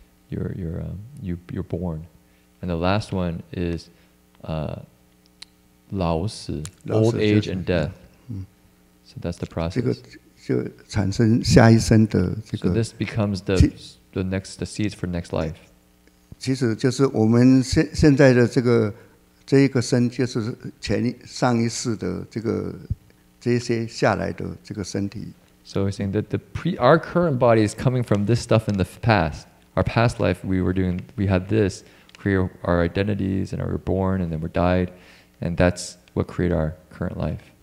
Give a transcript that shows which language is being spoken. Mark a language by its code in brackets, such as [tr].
[en] You're born. And the last one is Laosi, old age and death. So that's the process. [zh] 这个就产生下一生的这个。 [en] So this becomes the seeds for next life. [zh] 其实就是我们现在的这个身，就是前上一世的这些下来的这个身体。 [en] So we're saying that our current body is coming from this stuff in the past. Our past life, we had this create our identities, and we were born, and then we died, and that's what created our current life.